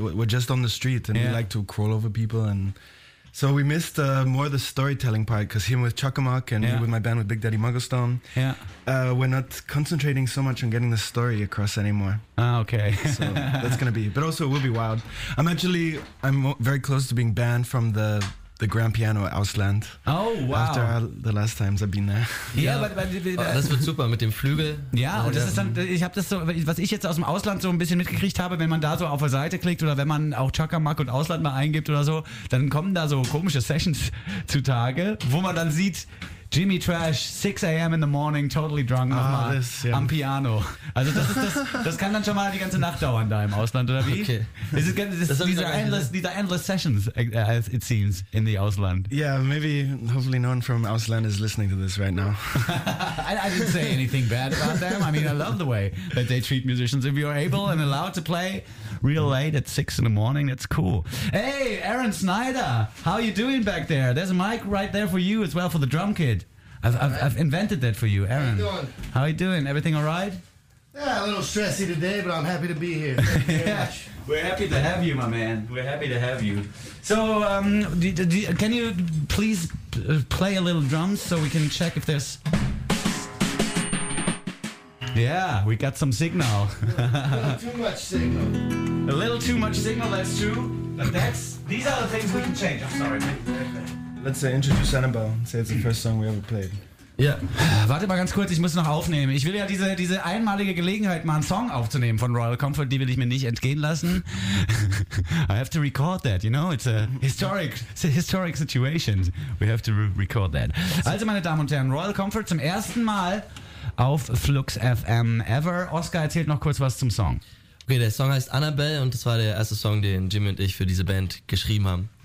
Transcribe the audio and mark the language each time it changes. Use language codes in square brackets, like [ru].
[en] We're just on the street and we like to crawl over people and... So we missed more the storytelling part because him with Chuckamuck and me with my band with Big Daddy Mugglestone, we're not concentrating so much on getting the story across anymore. Ah, okay. So that's going to be. But also it will be wild. I'm very close to being banned from the grand piano Ausland. Oh, wow. After the last times I've been there. [de] Das wird super mit dem Flügel. Ja, und das ist dann, ich habe das so, was ich jetzt aus dem Ausland so ein bisschen mitgekriegt habe, wenn man da so auf der Seite klickt oder wenn man auch Chuckamuck und Ausland mal eingibt oder so, dann kommen da so komische Sessions zutage, wo man dann sieht, Jimmy Trash, 6 a.m. [en] in the morning, totally drunk [de] am Piano. Also das kann dann schon mal die ganze Nacht dauern da im Ausland, oder wie? [en] Okay. These are endless sessions, as it seems, in the Ausland. Yeah, maybe, hopefully no one from Ausland is listening to this right now. I didn't say anything bad about them. I mean, I love the way that they treat musicians. If you're able and allowed to play real late at 6 a.m, that's cool. Hey, Aaron Snyder, how are you doing back there? There's a mic right there for you as well for the drum kit. I've invented that for you, Aaron. How you doing? How you doing? Everything all right? Yeah, a little stressy today, but I'm happy to be here. We're happy to have you, my man. We're happy to have you. So, can you please play a little drums so we can check if there's... Yeah, we got some signal. A little too much signal. A little too much signal, that's true. But that's, these are the things we can change. I'm sorry. Let's say introduce Annabelle and say it's the first song we ever played. [de] Ja, warte mal ganz kurz, ich muss noch aufnehmen. Ich will ja diese einmalige Gelegenheit, mal einen Song aufzunehmen von Royal Comfort, die will ich mir nicht entgehen lassen. [en] I have to record that, you know, it's a historic situation. We have to record that. [de] Also meine Damen und Herren, Royal Comfort zum ersten Mal auf Flux FM ever. Oscar erzählt noch kurz was zum Song. Okay, der Song heißt Annabelle und das war der erste Song, den Jimmy und ich für diese Band geschrieben haben.